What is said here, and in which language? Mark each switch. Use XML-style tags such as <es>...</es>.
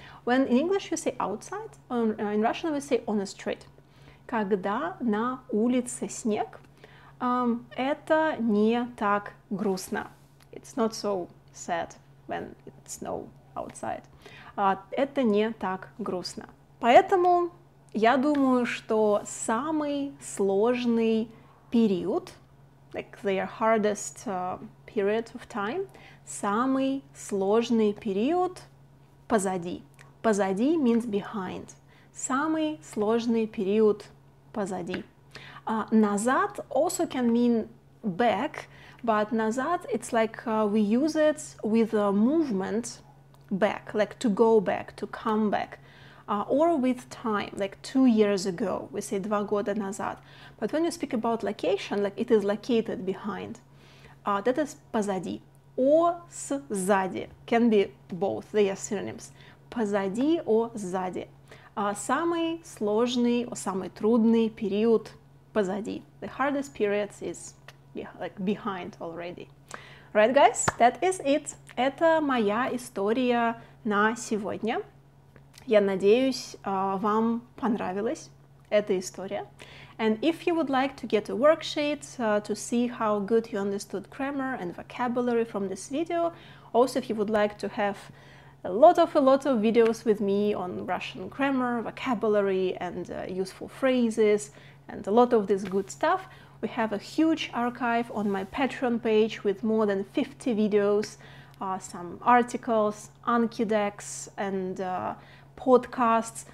<en>When in English you say outside, in Russian we say on the street.</en> <ru>Когда на улице снег, это не так грустно.</ru> <en>It's not so sad when it's snow outside.</en> <ru>Это не так грустно. Поэтому я думаю, что самый сложный период,</ru> <en>like the hardest period of time,</en> <ru>самый сложный период позади.</ru> <en>Позади means behind.</en> <ru>Самый сложный период позади.</ru> <en>Назад also can mean back, but назад it's like we use it with a movement back, like to go back, to come back, or with time, like 2 years ago, we say</en> <ru>2 года назад.</ru> <en>But when you speak about location, like it is located behind, that is позади. Or сзади can be both, they are synonyms.</en> <ru>Позади or сзади. Самый сложный, or самый трудный период позади.</ru> <en>The hardest period is like behind already. Right, guys? That is it.</en> <ru>Это моя история на сегодня. Я надеюсь, вам понравилась эта история.</ru> <en>And if you would like to get a worksheet to see how good you understood grammar and vocabulary from this video, also if you would like to have a lot of videos with me on Russian grammar, vocabulary, and useful phrases, and a lot of this good stuff, we have a huge archive on my Patreon page with more than 50 videos, some articles, Anki decks, and podcasts.</en>